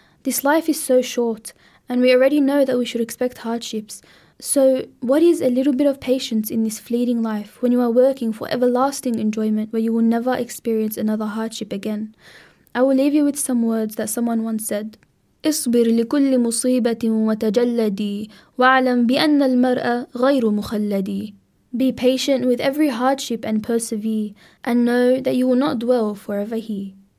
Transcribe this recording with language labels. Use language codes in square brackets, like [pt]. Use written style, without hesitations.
[en] This life is so short, and we already know that we should expect hardships. So what is a little bit of patience in this fleeting life when you are working for everlasting enjoyment where you will never experience another hardship again? I will leave you with some words that someone once said. [ar] اصبر لكل مصيبة وتجلدي واعلم بأن المرء غير مخلدي. [en] Be patient with every hardship and persevere, and know that you will not dwell forever here.